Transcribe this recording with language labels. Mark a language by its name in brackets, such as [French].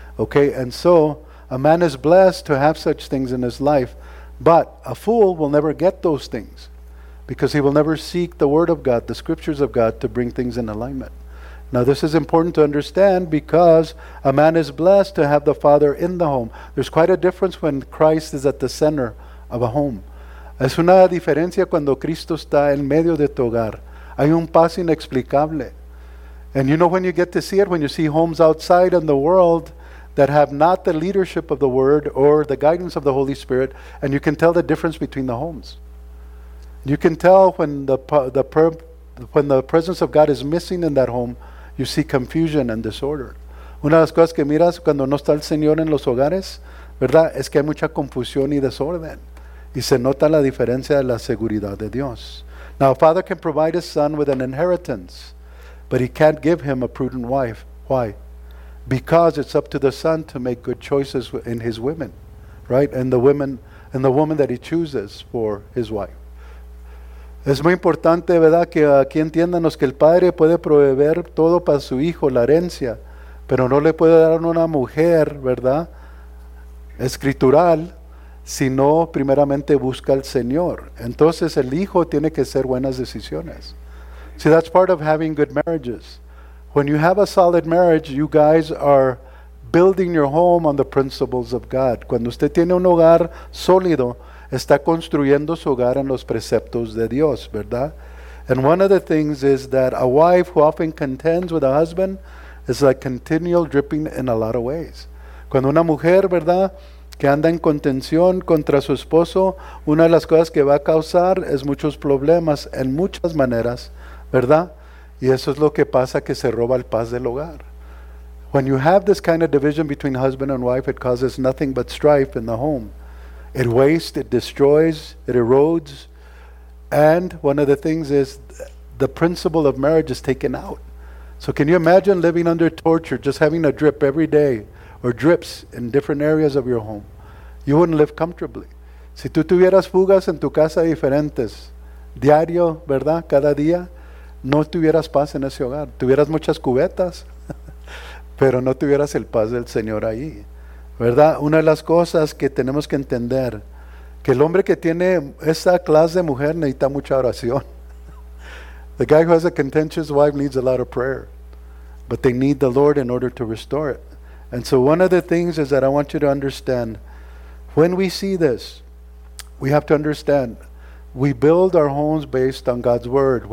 [English] Okay, and so a man is blessed to have such things in his life, but a fool will never get those things, because he will never seek the word of God, the scriptures of God, to bring things in alignment. Now this is important to understand, because a man is blessed to have the father in the home. There's quite a difference when Christ is at the center of a home. [Spanish] Es una diferencia cuando Cristo está en medio de tu hogar. Hay un paz inexplicable. [English] And you know, when you get to see it, when you see homes outside in the world that have not the leadership of the word or the guidance of the Holy Spirit, and you can tell the difference between the homes. You can tell when the presence of God is missing in that home, you see confusion and disorder. [Spanish] Una de las cosas que miras cuando no está el Señor en los hogares, ¿verdad?, es que hay mucha confusión y desorden. Y se nota la diferencia de la seguridad de Dios. [English] Now, a father can provide his son with an inheritance, but he can't give him a prudent wife. Why? Because it's up to the son to make good choices in his women, right? And the woman that he chooses for his wife. [Spanish] Es muy importante, ¿verdad?, que aquí entiéndanos que el padre puede proveer todo para su hijo, la herencia, pero no le puede dar una mujer, ¿verdad?, escritural, si no primeramente busca al Señor. Entonces el hijo tiene que hacer buenas decisiones. [English] See, that's part of having good marriages. When you have a solid marriage, you guys are building your home on the principles of God. [Spanish] Cuando usted tiene un hogar sólido, está construyendo su hogar en los preceptos de Dios, ¿verdad? [English] And one of the things is that a wife who often contends with a husband is like continual dripping in a lot of ways. [Spanish] Cuando una mujer, ¿verdad?, que anda en contención contra su esposo, una de las cosas que va a causar es muchos problemas en muchas maneras, ¿verdad? Y eso es lo que pasa, que se roba el paz del hogar. [English] When you have this kind of division between husband and wife, it causes nothing but strife in the home. It wastes, it destroys, it erodes. And one of the things is the principle of marriage is taken out. So can you imagine living under torture, just having a drip every day, or drips in different areas of your home? You wouldn't live comfortably. [Spanish] Si tú tuvieras fugas en tu casa diferentes, diario, ¿verdad?, cada día, no tuvieras paz en ese hogar. Tuvieras muchas cubetas, pero no tuvieras el paz del Señor ahí, ¿verdad? Una de las cosas que tenemos que entender, que el hombre que tiene esa clase de mujer necesita mucha oración. [English] The guy who has a contentious wife needs a lot of prayer, but they need the Lord in order to restore it. And so one of the things is that I want you to understand, when we see this, we have to understand, we build our homes based on God's word.